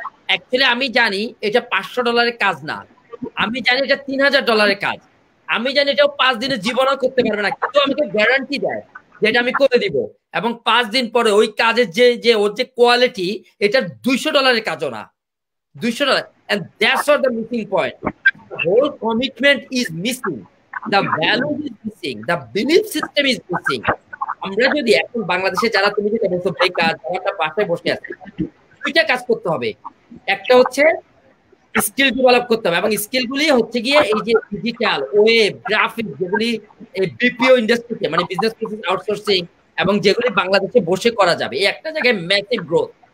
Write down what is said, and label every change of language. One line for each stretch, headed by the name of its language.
Bangla: Actually আমি জানি এটা $500 কাজ না, আমি জানি এটা $3,000 কাজ, আমি জানি এটাও 5 দিনের জীবনও করতে পারবে না, কিন্তু আমাকে গ্যারান্টি দেয় যে এটা আমি করে দিব, এবং 5 দিন পরে ওই কাজের যে যে ওর যে কোয়ালিটি এটা $200 কাজও না, $200।
English: And that's what the missing point. The whole commitment is missing. The value is missing. The belief system is missing.
Bangla: আমরা যদি এখন বাংলাদেশে যারা তুমি যেটা বলছো বেকার যারা পাশে বসে আছে, দুইটা কাজ করতে হবে। একটা হচ্ছে স্কিল ডেভেলপ করতে হবে, এবং স্কিল গুলি হচ্ছে গিয়ে এই যে ডিজিটাল ওয়েব গ্রাফিক যেগুলি এই বিপিও ইন্ডাস্ট্রিতে মানে বিজনেস প্রসেস আউটসোর্সিং এবং যেগুলি বাংলাদেশে বসে করা যাবে, এই একটা জায়গায় ম্যাসিভ গ্রোথ।